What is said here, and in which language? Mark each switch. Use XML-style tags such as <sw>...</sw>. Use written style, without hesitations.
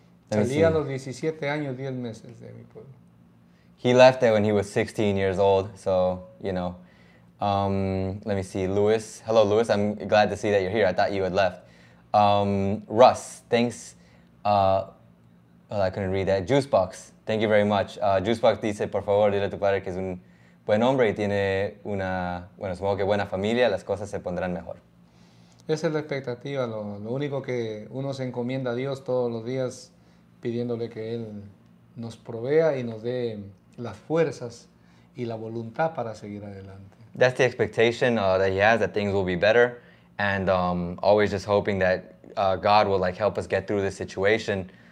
<es>Salí a los 17 años, 10 meses de mi pueblo.</es> <en>He left there when he was 16 years old, so, you know. Let me see, Lewis. Hello, Lewis. I'm glad to see that you're here. I thought you had left. Russ, thanks. I couldn't read that. Juicebox, thank you very much.</en> <es>Juicebox dice, por favor, dile a tu padre que es un buen hombre y tiene una, bueno, supongo que buena familia, las cosas se pondrán mejor. Esa es la expectativa. Lo único que uno se encomienda a Dios todos los días, pidiéndole que Él nos provea y nos dé las fuerzas y la voluntad para seguir adelante.</es> <en>That's the expectation that he has, that things will be better. And always just hoping that God will like help us get through this situation.</en>